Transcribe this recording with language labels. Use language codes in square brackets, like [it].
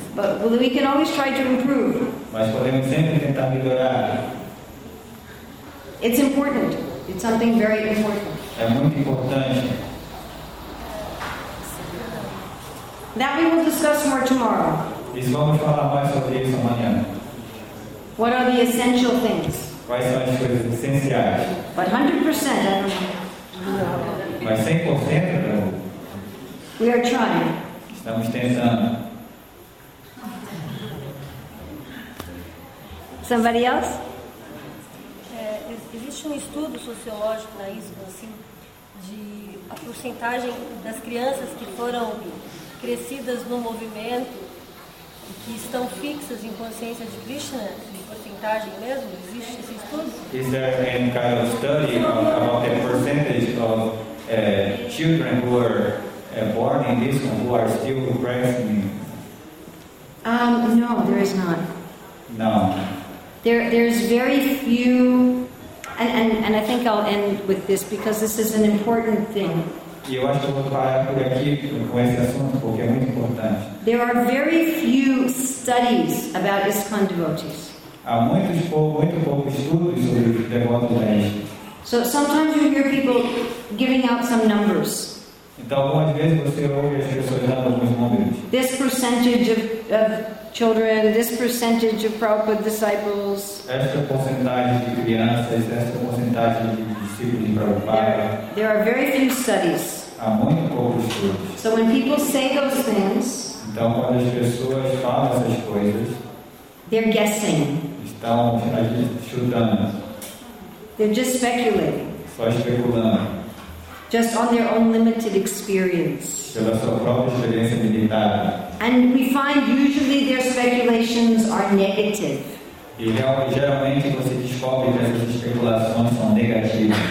[en] But we can always try to improve. [pt] Mas podemos sempre tentar melhorar. [en] It's important. It's something very important. [pt] É muito importante. [en] That we will discuss more tomorrow. [pt] Isso vamos falar mais sobre isso amanhã. [en] What are the essential things? [pt] Quais são as coisas essenciais? [en] But 100%. [pt] Mas 100%. [en] We are trying. [pt] Estamos tentando. [en] Somebody else? [pt] Existe estudo sociológico na isso, assim, de a porcentagem das crianças que foram crescidas no movimento e que estão fixas em consciência de Krishna, de porcentagem mesmo? Existe esse estudo? [en] Is there any kind of study about the percentage of children who are born in this one who are still progressing? No, there is not. No. There's very few, and I think I'll end with this because this is an important thing. [pt] Eu acho que vou parar por aqui com esse assunto porque é muito importante. [en] There are very few studies about ISKCON devotees. [pt] Há muito pouco estudos sobre devotos da ISKCON. [en] So sometimes you hear people giving out some numbers. [pt] Então algumas vezes você ouve as pessoas dando alguns números. [en] This percentage of children, this percentage of Prabhupada disciples. [pt] Esta porcentagem de crianças, esta porcentagem de discípulos de Prabhupada. [en] There are very few studies. [pt] Há muito poucos estudos. [en] So when people say those things, [pt] então quando as pessoas falam essas coisas, [en] they're guessing. [pt] Estão chutando. [en] They're just speculating. [pt] Só especulando. [en] Just on their own limited experience. [pt] Pela sua própria experiência limitada. [en] And we find usually their speculations are negative. [pt] E geralmente você descobre que essas especulações são negativas.